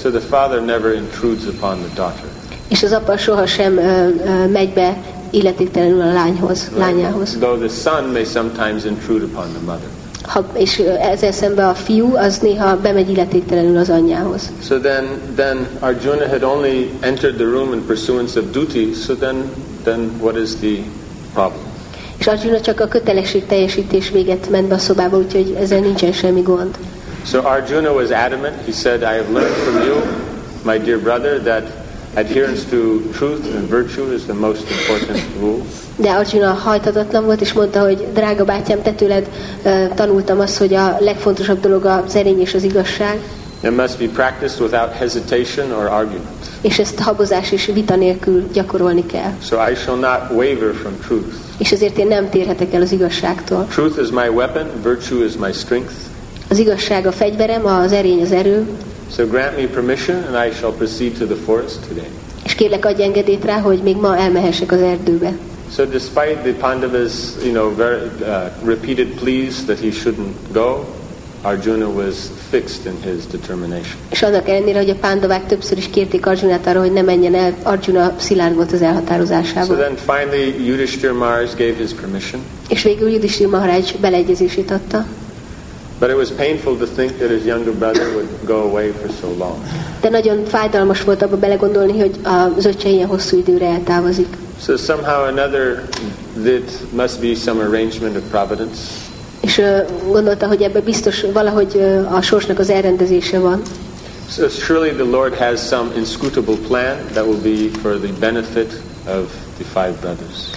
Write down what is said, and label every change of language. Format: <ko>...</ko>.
<en>So the father never intrudes upon the daughter.</en> <hu>És az apa soha sem megy be illetéktelenül a lányhoz, lányához.</hu> <en>Though the son may sometimes intrude upon the mother.</en> <hu>Ha, és ezzel szemben a fiú az néha bemegy illetéktelenül az anyjához.</hu> <en>So then Arjuna had only entered the room in pursuance of duty, so then what is the problem?</en> <hu>És Arjuna csak a kötelesség teljesítés véget ment be a szobába, úgyhogy ezzel nincsen semmi gond.</hu> <en>So Arjuna was adamant. He said, I have learned from you, my dear brother, that adherence to truth and virtue is the most important rule.</en> <hu>De Arjuna hajtatatlan volt, és mondta, hogy drága bátyám, te tőled tanultam azt, hogy a legfontosabb dolog a szerény és az igazság.</hu> <en>It must be practiced without hesitation or argument.</en> <hu>És ezt habozás és vita nélkül gyakorolni kell.</hu> <en>So I shall not waver from truth.</en> <hu>És ezért én nem térhetek el az igazságtól.</hu> <en>Truth is my weapon, virtue is my strength.</en> <hu>Az igazság a fegyverem, az erény az erő.</hu> <en>So grant me permission and I shall proceed to the forest today.</en> <hu>És kérlek, adj engedélyt rá, hogy még ma elmehessek az erdőbe.</hu> <en>So despite the Pandavas, very repeated pleas that he shouldn't go, Arjuna was fixed in his determination.</en> <hu>És annak ellenére, hogy a Pandavák többször is kérték Arjunát arra, hogy ne menjen el, Arjuna szilárd volt az elhatározásában.</hu> <en>So then finally Yudhishthira Maharaj gave his permission.</en> <hu>És végül Yudhishthira Maharaj beleegyezését adta.</hu> <en>But it was painful to think that his younger brother would go away for so long.</en> <hu>De nagyon fájdalmas volt abba belegondolni, hogy az öccse ilyen hosszú időre eltávozik.</hu> <en>So somehow another, it must be some arrangement of providence.</en> <hu>És gondolta, hogy ebbe biztos valahogy a sorsnak az elrendezése van.</hu> <en>So surely the Lord has some inscrutable plan that will be for the benefit of the five brothers.</en>